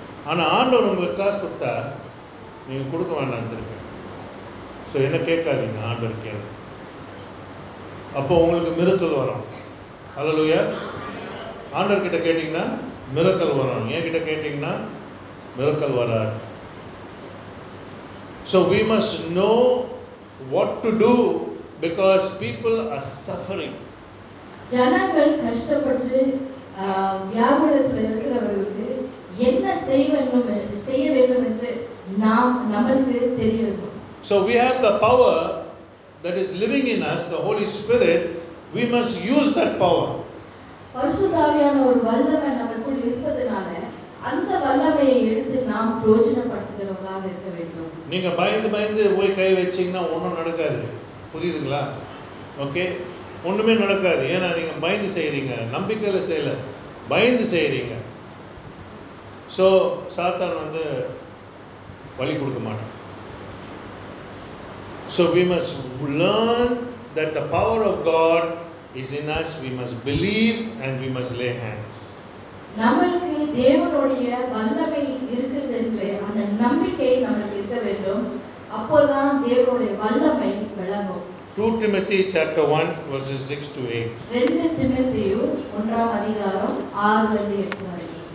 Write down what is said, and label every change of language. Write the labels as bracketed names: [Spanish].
[Tamil] ஆனால் ஆண்டவர் உங்களுக்கு காசு கொடுத்தா நீங்கள் கொடுக்க வேண்டாம் திருப்பி. ஸோ என்ன கேட்காதீங்க, ஆண்டவர் கேளு. அப்போ உங்களுக்கு மிரக்கல் வரும். ஹலோயா. ஆண்டவர்கிட்ட கேட்டிங்கன்னா மிரக்கல் வரும். என்கிட்ட கேட்டிங்கன்னா மிரக்கல் வராது. [English] So we must know what to do because people are suffering. [Tamil] ஜனங்கள் கஷ்டப்பட்டு வியாபாரத்தில் இருக்கிறவர்களுக்கு என்ன செய்ய வேண்டும் என்று நாம் நமக்கு தெரியணும். [English] So we have the power that is living in us, the Holy Spirit. We must use that power. [Tamil] பரிசுத்தாவியான ஒரு வல்லமை நமக்குள் இருப்பதனால அந்த வல்லமையை எடுத்து நாம் பிரயோஜனப்படுத்துகிறவங்களாக இருக்க வேண்டும். நீங்க பயந்து போய் கை வச்சீங்கன்னா ஒன்றும் நடக்காது, புரியுதுங்களா? ஓகே, ஒன்றுமே நடக்காது. ஏன்னா நீங்கள் பயந்து செய்கிறீங்க, நம்பிக்கையில் செய்யலை, பயந்து செய்கிறீங்க. ஸோ சாத்தான் வந்து வழி கொடுக்க மாட்டான். [English] So we must learn that the power of God is in us. We must believe and we must lay hands. [Tamil] நமக்கு தேவனுடைய வல்லமை இருக்குது என்று அந்த நம்பிக்கை நமக்கு இருக்க வேண்டும். அப்போதான் தேவனுடைய வல்லமை விளங்கும். [English] 2 Timothy chapter 1 verses 6 to 8. [Tamil] 2 Timothy 1 அதிகாரம் 6 லிருந்து 8 வரை.